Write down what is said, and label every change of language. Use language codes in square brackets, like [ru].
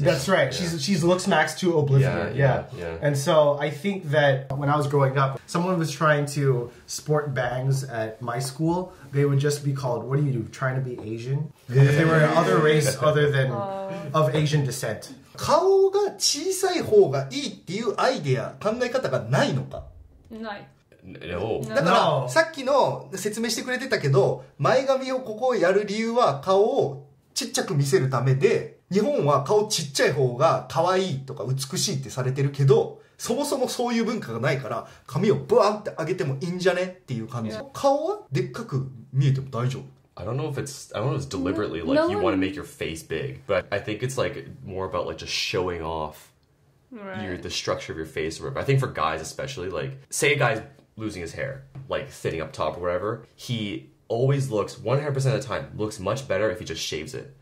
[en] That's right. Yeah. She's looks max to oblivion. Yeah. And so I think that when I was growing up, someone was trying to sport bangs at my school. They would just be called, what do you do? Trying to be Asian? And if they were another race other than of Asian descent. [ja] 顔が小さい方がいいっていうアイデア、考え方がないのか？ない。 [en] No. [ja] だから、 [en] no. [ja] さっきの説明してくれてたけど前髪をここをやる理由は顔をちっちゃく見せるためで日本は顔ちっちゃい方が可愛いとか美しいってされてるけどそもそもそういう文化がないから髪をブワンって上げてもいいんじゃねっていう感じ、yeah. 顔はでっかく見えても大丈夫 [en] I don't know if it's, I don't know if it's deliberately like you want to make your face big but I think it's like more about like just showing off your, the structure of your face I think for guys especially like say a guy'sLosing his hair, like thinning up top or whatever, he always looks 100% of the time looks much better if he just shaves it.